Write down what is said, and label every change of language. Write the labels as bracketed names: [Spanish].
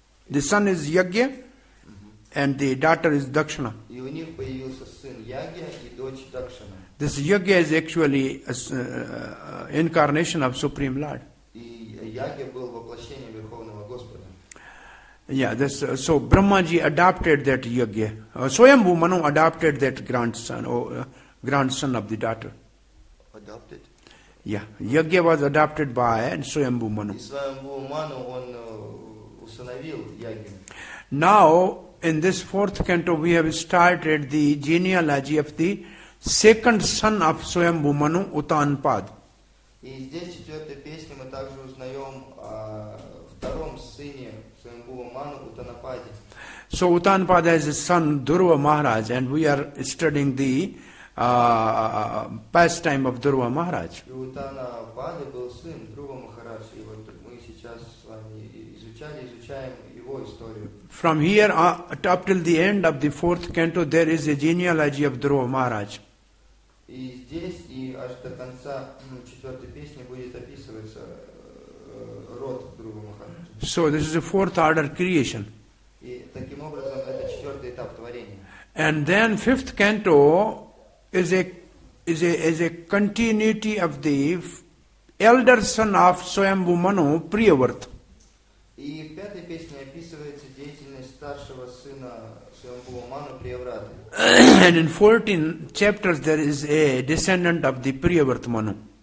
[English] The son is Yagya, and the daughter is Dakshina. [Russian] И у них появился сын Yagya и дочь Dakshina. [English] This Yagya is actually incarnation of Supreme Lord. [Russian] И Yagya был воплощением Верховного Господа. [English] Yeah, this, so Brahmaji adopted that Yagya. Swayambhu Manu adopted that grandson of the daughter. Adopted? Yeah, Yagya was adopted by Swayambhu Manu. Now, in this fourth canto, we have started the genealogy of the second son of Swayambhu Manu, Utanapada. [Russian] И здесь в четвертой песне мы также узнаем о втором сыне своем Бхуваману Утанападе. [English] So Utanapada is the son of Dhruva Maharaj, and we are studying the pastime of Dhruva Maharaj. [Russian] И Утанапада был сын Дхрува Махарадж, и вот мы сейчас с вами изучаем его историю. [English] From here up till the end of the fourth canto, there is a genealogy of Dhruva Maharaj. [Russian] И здесь и аж до конца четвертой песни будет описываться род Дхрува Махараджа. [English] So this is a fourth order creation. [Russian] И таким образом это четвертый этап творения. [English] And then fifth canto is a continuity of the elder son of Swayambhu Manu, Priyavrata. [Russian] И в пятой песне описывается деятельность старшего сына Свамбу Ману Приявраты. [English] And in 14 chapters there is a descendant of the Priyavrata Manu.